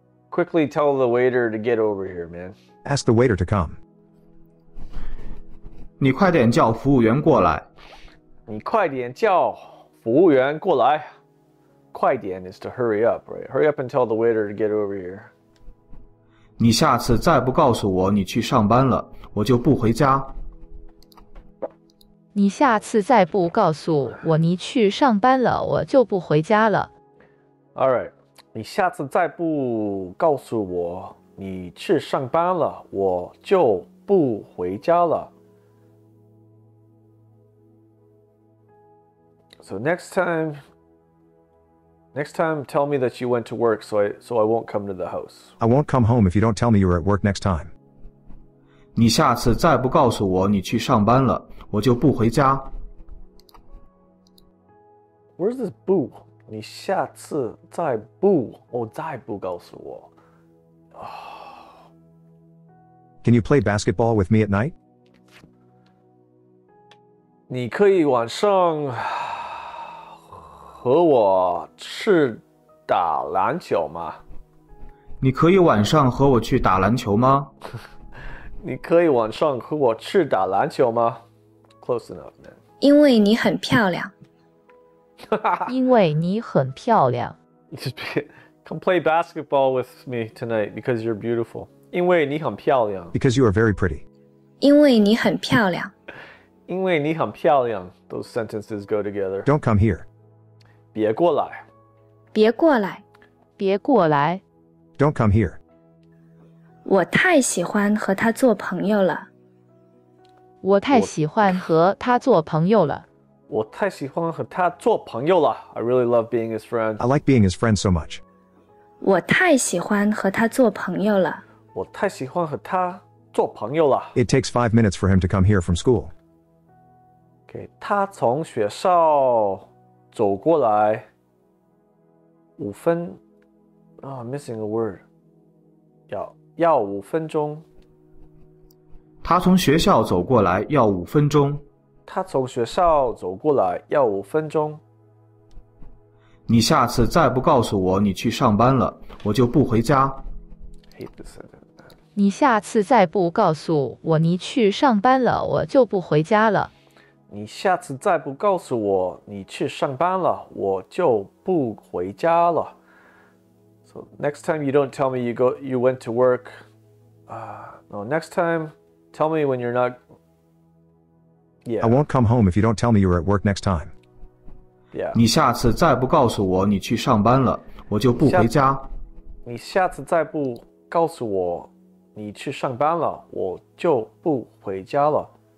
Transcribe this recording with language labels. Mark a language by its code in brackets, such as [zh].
[en] Quickly tell the waiter to get over here, man. Ask the waiter to come. [zh] 你快点叫服务员过来。你快点叫服务员过来。快点 [en] is to hurry up, right? Hurry up and tell the waiter to get over here. [zh] 你下次再不告诉我你去上班了，我就不回家。你下次再不告诉我你去上班了，我就不回家了。 [en] All right. [zh] 你下次再不告诉我你去上班了，我就不回家了。 [en] So next time tell me that you went to work so I won't come to the house. I won't come home if you don't tell me you're at work next time. [zh] 你下次再不告诉我你去上班了，我就不回家。 [en] Where's this 不？ [zh] 你下次再不，我再不告诉我。 [en] Can you play basketball with me at night? [zh] 你可以晚上和我去打篮球吗？你可以晚上和我去打篮球吗？你可以晚上和我去打篮球吗？ [en] Close enough, man. [zh] 因为你很漂亮。因为你很漂亮。 [en] Come play basketball with me tonight because you're beautiful. [zh] 因为你很漂亮。 [en] Because you are very pretty. [zh] 因为你很漂亮。因为你很漂亮。 [en] Those sentences go together. Don't come here. [zh] 别过来。别过来。别过来。 [en] Don't come here. [zh] 我太喜欢和他做朋友了。我太喜欢和他做朋友了。我太喜欢和他做朋友了。 [en] I really love being his friend. I like being his friend so much. [zh] 我太喜欢和他做朋友了。我太喜欢和他做朋友了。 [en] It takes 5 minutes for him to come here from school. Okay, [zh] 他从学校走过来五分 [en] Oh, I'm missing a word. [zh] 要五分钟。他从学校走过来要五分钟。他从学校走过来要五分钟。你下次再不告诉我你去上班了，我就不回家。你下次再不告诉我你去上班了，我就不回家了。你下次再不告诉我你去上班了，我就不回家了。 [en] So next time you don't tell me you went to work. No, next time tell me when you're not. Yeah. I won't come home if you don't tell me you're at work next time. Yeah. [zh] 你下次再不告诉我你去上班了，我就不回家。你下次再不告诉我你去上班了，我就不回家了。